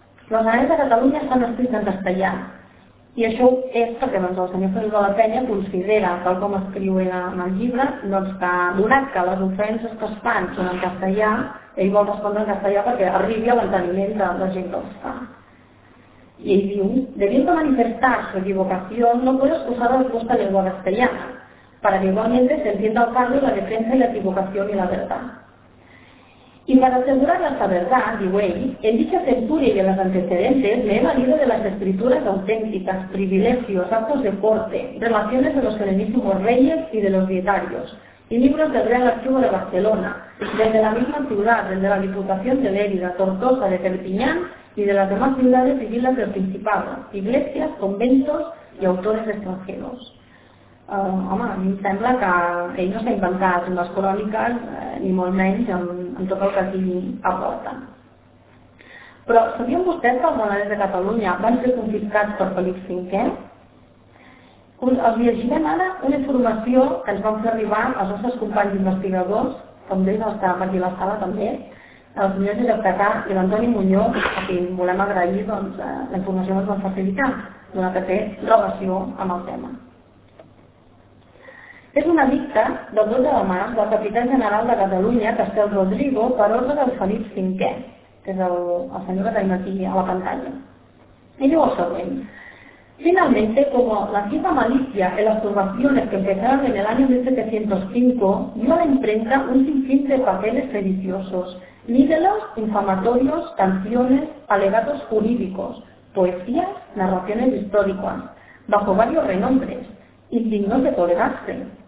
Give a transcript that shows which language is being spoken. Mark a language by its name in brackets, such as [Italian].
[Catalan] Les Anales de Catalunya estan escrites en castellà, i això és perquè el senyor Feliu de la Penya considera, tal com escriu en el llibre, que donat que les ofenses que es fan són en castellà, ell vol respondre en castellà perquè arribi a l'enteniment de la gent que els fa. I ell diu, [Spanish] debiendo manifestar su equivocación, no puedo excusar el gusto de lengua castellana, para que igualmente se entienda el cargo y la defensa y la equivocación y la verdad. Y para asegurar la verdad, dijo él, en dicha censura y en los antecedentes me he valido de las escrituras auténticas, privilegios, actos de corte, relaciones de los serenísimos reyes y de los dietarios, y libros del Real Archivo de Barcelona, desde la misma ciudad, desde la Diputación de Lérida, Tortosa, de Perpiñán y de las demás ciudades y villas del Principado, iglesias, conventos y autores extranjeros. [Catalan] Home, a mi em sembla que ell no s'ha inventat les cròniques, ni molt menys en tot el que aquí aporta. Però sabien vostès que els monedes de Catalunya van ser confiscats per Felip V? Els llegirem ara una informació que ens van fer arribar als nostres companys investigadors, com d'ells estàvem aquí a la sala també, els senyors Josep Catà i l'Antoni Muñoz, a qui volem agrair doncs, la informació que ens van facilitar, donat que té relació amb el tema. És un edicte del 12 de març del capità general de Catalunya, Castel Rodrigo, per ordre del Felip V, que és el senyor que tenim aquí a la pantalla. I diu el següent. [Spanish] Finalmente, como la cierta malicia en las turbaciones que empezaron en el año 1705, dio a la imprenta un sinfín de papeles sediciosos, libelos, infamatorios, canciones, alegatos jurídicos, poesías, narraciones históricas, bajo varios renombres, indignos de tolerarse.